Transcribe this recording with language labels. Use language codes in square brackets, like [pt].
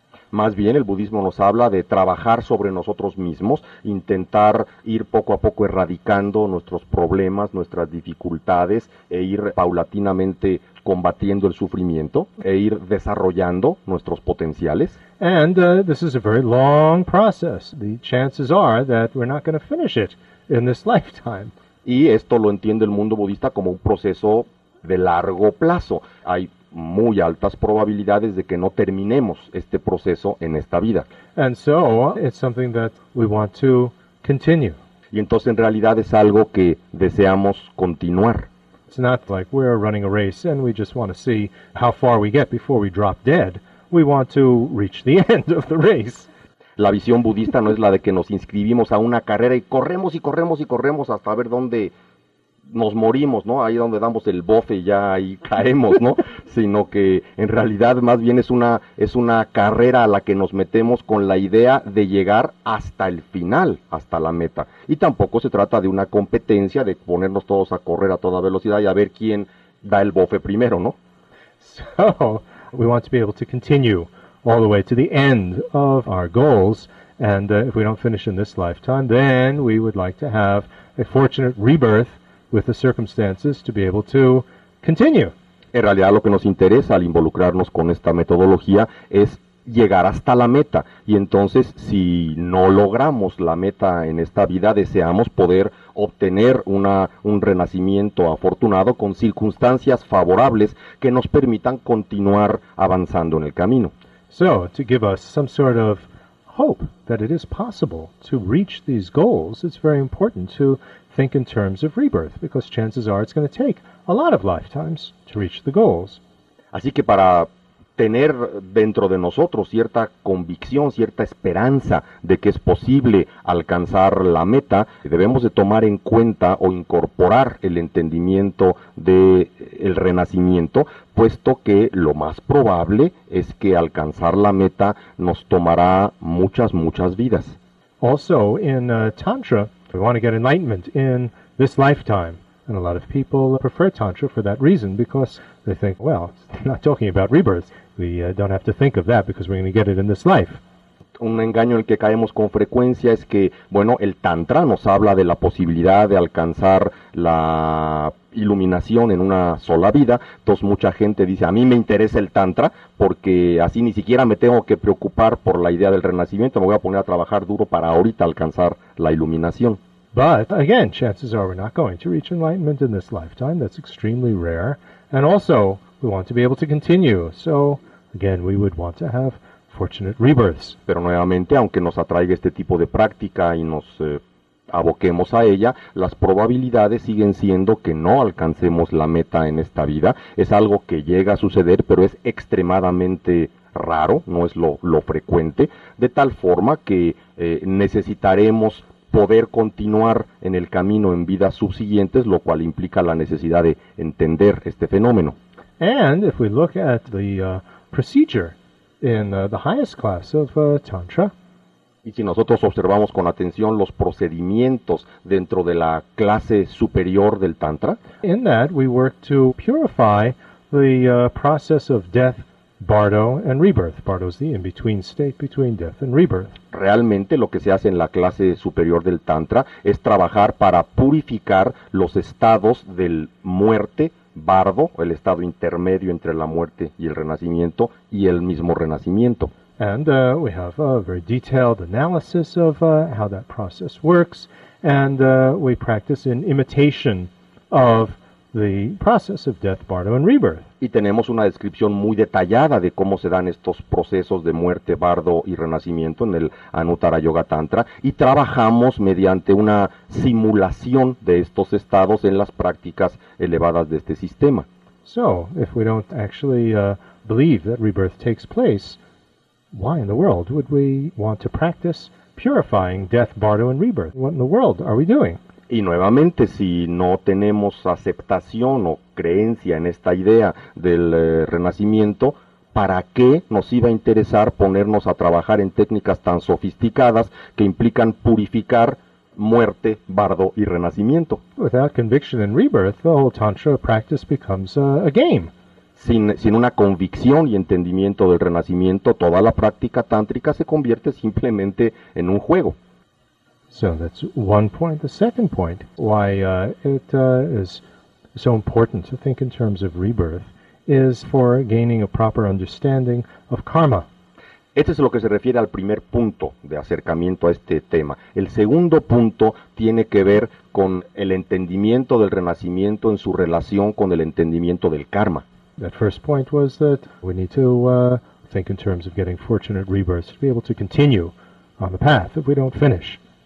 [es] Más bien el budismo nos habla de trabajar sobre nosotros mismos, intentar ir poco a poco erradicando nuestros problemas, nuestras dificultades e ir paulatinamente combatiendo el sufrimiento e ir desarrollando nuestros potenciales. [en] And this is a very long process. The chances are that we're not going to finish it in this lifetime. [es] Y esto lo entiende el mundo budista como un proceso de largo plazo. Hay muy altas probabilidades de que no terminemos este proceso en esta vida. [en] And so, it's something that we want to continue. [es] Y entonces en realidad es algo que deseamos continuar. [en] It's not like we're running a race and we just want to see how far we get before we drop dead. We want to reach the end of the race. [es] La visión budista no es la de que nos inscribimos a una carrera y corremos y corremos y corremos hasta ver dónde nos morimos, ¿no? Ahí donde damos el bofe ya ahí caemos, ¿no? Sino que en realidad más bien es una carrera a la que nos metemos con la idea de llegar hasta el final, hasta la meta. Y tampoco se trata de una competencia de ponernos todos a correr a toda velocidad y a ver quién da el bofe primero, ¿no? [en] So, we want to be able to continue all the way to the end of our goals, and if we don't finish in this lifetime, then we would like to have a fortunate rebirth with the circumstances to be able to continue. [es] En realidad lo que nos interesa al involucrarnos con esta metodología es llegar hasta la meta. Y entonces, si no logramos la meta en esta vida, deseamos poder obtener un renacimiento afortunado con circunstancias favorables que nos permitan continuar avanzando en el camino. [en] So, to give us some sort of hope that it is possible to reach these goals, it's very important to think in terms of rebirth, because chances are it's going to take a lot of lifetimes to reach the goals. [es] Así que para tener dentro de nosotros cierta convicción, cierta esperanza de que es posible alcanzar la meta, debemos de tomar en cuenta o incorporar el entendimiento del renacimiento, puesto que lo más probable es que alcanzar la meta nos tomará muchas, muchas vidas. [en] Also, in Tantra, we want to get enlightenment in this lifetime. And a lot of people prefer Tantra for that reason, because they think, well, it's not talking about rebirth. We don't have to think of that because we're going to get it in this life. [es] Un engaño en el que caemos con frecuencia es que, bueno, el Tantra nos habla de la posibilidad de alcanzar la iluminación en una sola vida. Entonces mucha gente dice, a mí me interesa el Tantra porque así ni siquiera me tengo que preocupar por la idea del renacimiento. Me voy a poner a trabajar duro para ahorita alcanzar la iluminación. [en] But, again, chances are we're not going to reach enlightenment in this lifetime. That's extremely rare. And also, we want to be able to continue. So, again, we would want to have fortunate rebirths. [es] Pero nuevamente, aunque nos atraiga este tipo de práctica y nos aboquemos a ella, las probabilidades siguen siendo que no alcancemos la meta en esta vida. Es algo que llega a suceder, pero es extremadamente raro, no es lo frecuente, de tal forma que necesitaremos poder continuar en el camino en vidas subsiguientes, lo cual implica la necesidad de entender este fenómeno. [en] And if we look at the procedure in the highest class of Tantra. [es] Y si nosotros observamos con atención los procedimientos dentro de la clase superior del Tantra. [en] In that we work to purify the process of death, bardo and rebirth. Bardo is the in-between state between death and rebirth. [es] Realmente lo que se hace en la clase superior del Tantra es trabajar para purificar los estados del muerte, bardo, el estado intermedio entre la muerte y el renacimiento, y el mismo renacimiento. [en] And we have a very detailed analysis of how that process works, and we practice in imitation of the process of death, bardo and rebirth. [es] Y tenemos una descripción muy detallada de cómo se dan estos procesos de muerte, bardo y renacimiento en el Anuttara Yoga Tantra, y trabajamos mediante una simulación de estos estados en las prácticas elevadas de este sistema. [en] So, if we don't actually believe that rebirth takes place, why in the world would we want to practice purifying death, bardo and rebirth? What in the world are we doing? [es] Y nuevamente, si no tenemos aceptación o creencia en esta idea del renacimiento, ¿para qué nos iba a interesar ponernos a trabajar en técnicas tan sofisticadas que implican purificar muerte, bardo y renacimiento? [en] Without conviction and rebirth, the whole tantra practice becomes a game. [es] Sin una convicción y entendimiento del renacimiento, toda la práctica tántrica se convierte simplemente en un juego. [en] So that's one point. The second point, why it is so important to think in terms of rebirth, is for gaining a proper understanding of karma. [es] Este es lo que se refiere al primer punto de acercamiento a este tema. El segundo punto tiene que ver con el entendimiento del renacimiento en su relación con el entendimiento del karma. [en] That first point was that we need to think in terms of getting fortunate rebirths to be able to continue on the path if we don't finish.